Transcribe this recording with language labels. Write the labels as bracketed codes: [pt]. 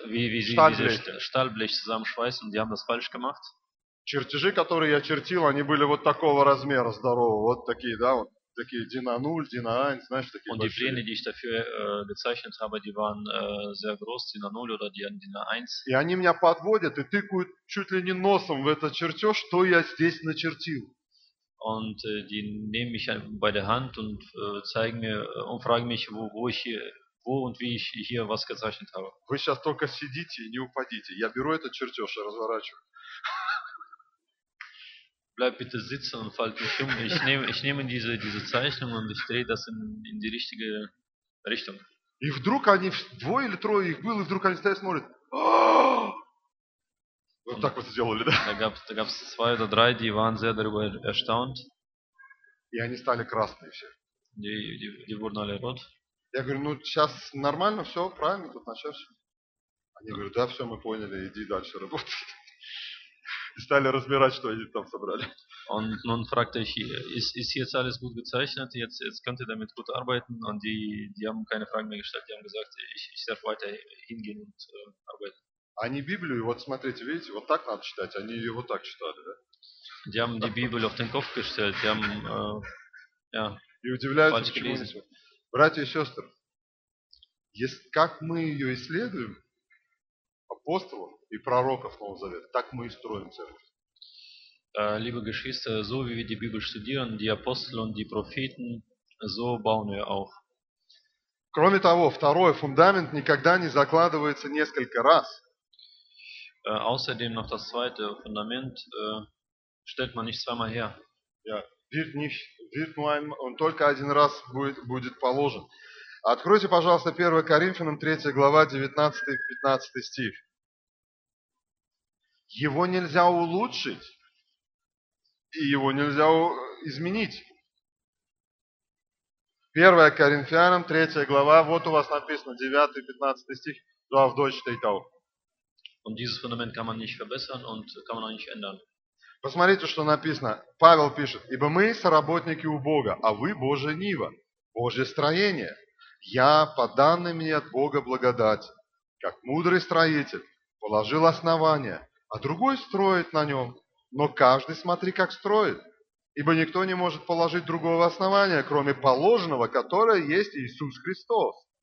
[de] Stahlblech zusammenschweißen und die haben das falsch gemacht. [ru] Чертежи, которые я чертил, они были вот такого размера, здорового, вот такие, да, вот такие Dina 0, Dina 1, знаешь, такие. [de] Und die Pläne, die ich dafür gezeichnet habe, die waren sehr groß, Dina 0 oder Dina 1. [ru] И они меня подводят и тыкают чуть ли не носом в этот чертеж, что я здесь начертил. [de] Und die nehmen mich bei der Hand und zeigen mir und fragen mich, wo und wie ich hier was gezeichnet habe. [ru] Вы сейчас только сидите и не упадите. Я беру этот чертеж и разворачиваю. [de] Bleib bitte sitzen und fall nicht um. Ich nehme diese Zeichnung und ich drehe das in die richtige Richtung. [ru] И вдруг они двое или трое их было, и вдруг они стоят смотрят. Вот так вот сделали, да? [de] Da gab's zwei oder drei, die waren sehr darüber erstaunt. [ru] И они стали красные все. [de] Die wurden alle rot. [ru] Я говорю, ну сейчас нормально, все правильно, тут начался. Они говорят, да, все, мы поняли, иди дальше работай. И стали разбирать, что они там собрали. [de] Und nun fragte ich, ist jetzt alles gut gezeichnet? Jetzt könnt ihr damit gut arbeiten? Und die haben keine Fragen mehr gestellt. Die haben gesagt, ich darf weiter hingehen und arbeiten. [ru] Они Библию, вот смотрите, видите, вот так надо читать. Они ее вот так читали, да? [de] Die haben die Bibel auf den Kopf gestellt. Die haben, ja, [ru] и удивляются, почему не сегодня. Братья и сестры, если, как мы ее исследуем, апостолов и пророков Нового Завета, так мы и строим церковь. [de] Liebe Geschwister, so wie wir die Bibel studieren, die Apostel und die Propheten, so bauen wir auf. [ru] Кроме того, второй фундамент никогда не закладывается несколько раз. [de] Außerdem noch das zweite Fundament stellt man nicht zweimal her. Ja, wird nicht, wird nur ein, [ru] он только один раз будет, будет положен. Откройте, пожалуйста, 1 Коринфянам 3 глава 19-15 стих. Его нельзя улучшить. И его нельзя изменить. 1 Коринфянам, 3 глава, вот у вас написано 9-15 стих, в Deutschen Tau. [de] Und dieses Fundament kann man nicht verbessern und kann man auch nicht ändern. [ru] Посмотрите, что написано. Павел пишет: «Ибо мы соработники у Бога, а вы Божья нива, Божье строение. Я, по данным мне от Бога благодать, как мудрый строитель, положил основание, а другой строит на нем. Но каждый смотри, как строит, ибо никто не может положить другого основания, кроме положенного, которое есть Иисус Христос.